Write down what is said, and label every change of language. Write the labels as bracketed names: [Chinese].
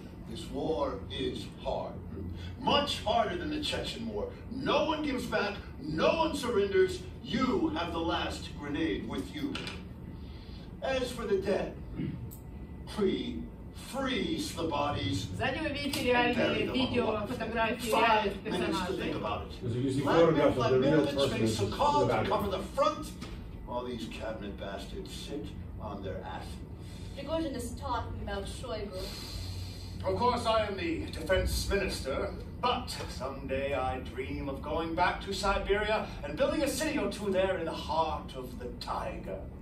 [English] This war is hard. Much harder than the Chechen War. No one gives back, no one surrenders. You have the last grenade with you. As for the dead, we freeze the bodies. [Russian] Сзади вы видите реальные видео, фотографии реальных персонажей. [English] Let me cover the front while these cabinet bastards sit on their asses. Prigozhin is talking about Shoigu. Of course, I am the defense minister, but someday I dream of going back to Siberia and building a city or two there in the heart of the taiga.